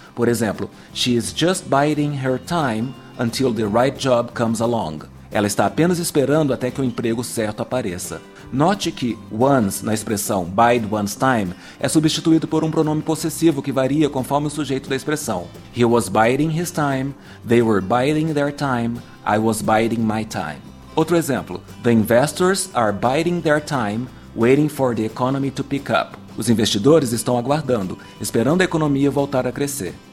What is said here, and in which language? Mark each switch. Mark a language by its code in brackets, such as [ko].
[pt] Por exemplo, [en] she is just biding her time until the right job comes along. [pt] Ela está apenas esperando até que o emprego certo apareça. Note que once na expressão bide one's time é substituído por um pronome possessivo que varia conforme o sujeito da expressão. [en] He was biding his time, they were biding their time, I was biding my time. [pt] Outro exemplo, [en] the investors are biding their time, waiting for the economy to pick up. [pt] Os investidores estão aguardando, esperando a economia voltar a crescer.